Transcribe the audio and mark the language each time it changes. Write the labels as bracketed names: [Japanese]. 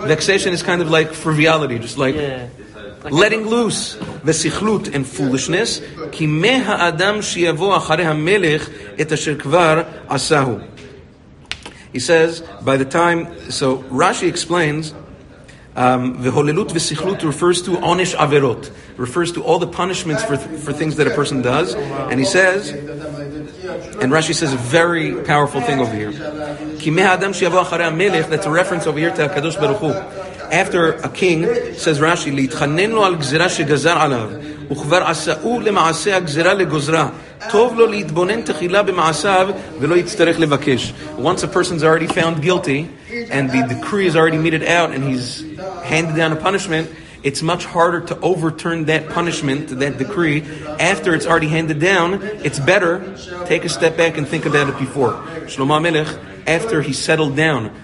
[English] Vexation is kind of like frivolity, just like, letting loose. וסיכלות and foolishness. [Hebrew] כי מה האדם שיבוא אחרי המלך את אשר כבר עשהו. [English] He says, by the time, so Rashi explains, והוללות וסיכלות refers to עונש עבירות, refers to all the punishments for things that a person does. And he says, and Rashi says a very powerful thing over here, [Hebrew] כי מה האדם שיבוא אחרי המלך, [English] that's a reference over here to [Hebrew] הקדוש ברוך הוא, [English] after a king, says Rashi, [Hebrew] להתחנן לו על גזרה שגזר עליו, וכבר עשהו למעשה הגזרה לגוזרה, טוב לו להתבונן תחילה במעשיו, ולא יצטרך לבקש. [English] Once a person's already found guilty, and the decree is already meted out, and he's handed down a punishment, it's much harder to overturn that punishment, that decree, after it's already handed down. It's better, take a step back and think about it before. Shlomo HaMelech, after he settled down